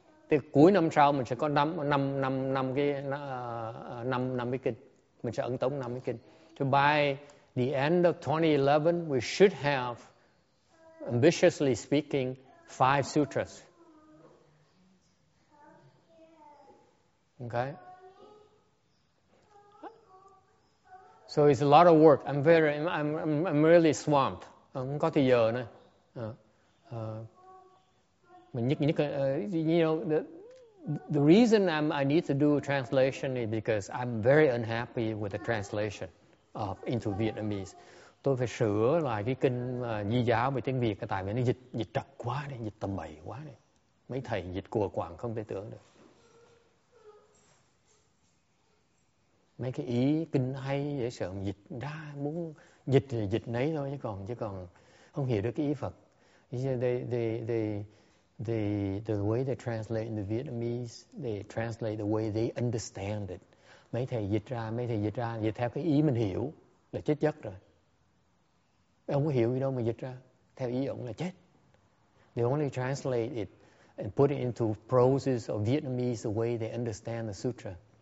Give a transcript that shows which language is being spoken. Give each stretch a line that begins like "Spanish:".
Vietnamese: Thì cuối năm sau mình sẽ có năm cái kinh, mình sẽ ấn tống năm cái kinh.
English: So by the end of 2011, we should have, ambitiously speaking, 5 sutras. Okay. So it's a lot of work. I'm really swamped.
Vietnamese: Không có thời giờ nữa. Mình nhức
English: you know, the reason I need to do a translation is because I'm very unhappy with the translation of into Vietnamese.
Vietnamese: Tôi phải sửa lại cái kinh Di Giáo về tiếng Việt, tại vì nó dịch trật quá này, dịch tầm bậy quá này. Mấy thầy dịch cùa quảng không thể tưởng được. Mấy cái ý kinh hay dễ sợ dịch ra, muốn dịch thì dịch nấy thôi, chứ còn không hiểu được cái ý Phật.
English: The way they translate in the Vietnamese, they translate the way they understand it.
Vietnamese: Mấy thầy dịch ra, dịch theo cái ý mình hiểu là chết chắc rồi. Ông có hiểu gì đâu mà dịch ra, theo ý ông là chết.
English: They only translate it and put it into proses of Vietnamese the way they understand the sutra.